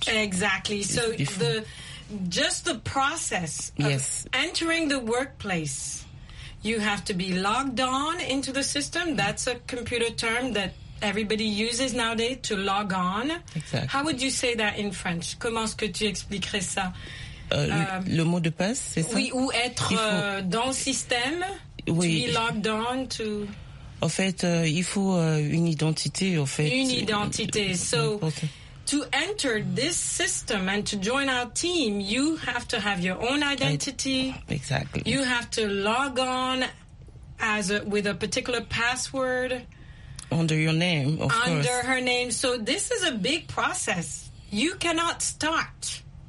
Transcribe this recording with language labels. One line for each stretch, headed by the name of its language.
English: Exactly. So the process of entering the workplace, you have to be logged on into the system. That's a computer term that everybody uses nowadays, to log on. Exactly. How would you say that in French?
French: Comment est-ce que tu expliquerais ça? Le mot de passe, c'est ça? Oui, ou être dans le système, oui.
English: To be logged on to...
French: En fait, il faut une identité, en fait. Une identité.
English: So, to enter this system and to join our team, you have to have your own identity. Exactly. You have to log on as with a particular password. Under your name, of course. Under her name. So, this is a big process. You cannot start...